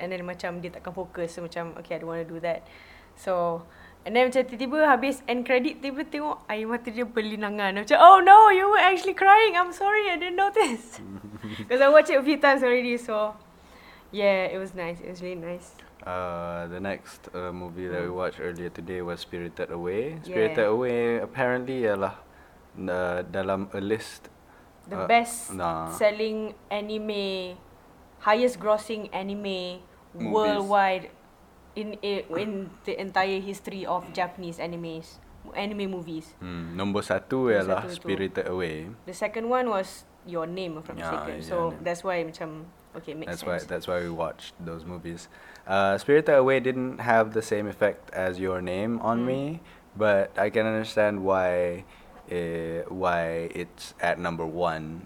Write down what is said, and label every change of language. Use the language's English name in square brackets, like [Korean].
[English] And then [Malay] macam, dia takkan fokus. [English] So [Malay] macam, [English] okay, I don't want to do that. So, and then [Malay] macam tiba-tiba habis [English] end credit, [Malay] tiba-tiba tengok air mata dia berlinangan. Macam, [English] oh no, you were actually crying. I'm sorry, I didn't notice. Because I watched it a few times already, so... Yeah, it was nice. It was really nice. The next movie that we watched earlier today was Spirited Away. Spirited Away, apparently, [Malay] ialah dalam [English] a list. The best-selling anime, highest-grossing anime movies worldwide in the entire history of Japanese anime movies. Number [Malay] satu ialah [English] Spirited Away. The second one was Your Name, from So that's why [Malay] macam... [English] Okay, makes sense. That's why we watched those movies. Spirited Away didn't have the same effect as Your Name on me, but I can understand why it's at number one.